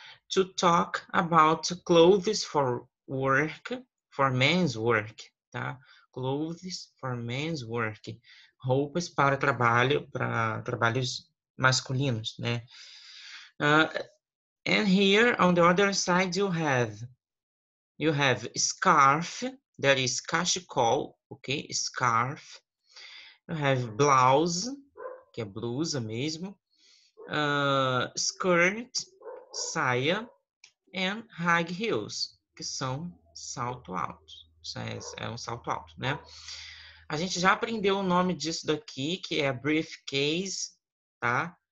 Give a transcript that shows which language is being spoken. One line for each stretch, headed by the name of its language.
English: To talk about clothes for work, for men's work, tá? Clothes for men's work.
Portuguese: Roupas para trabalhos masculinos, né?
English: And here on the other side you have scarf. That is cachecol, ok? Scarf. You have blouse,
Portuguese: que é blusa mesmo. Skirt, saia.
English: And high heels,
Portuguese: que são salto alto. Isso é um salto alto, né? A gente já aprendeu o nome disso daqui, que é briefcase, tá?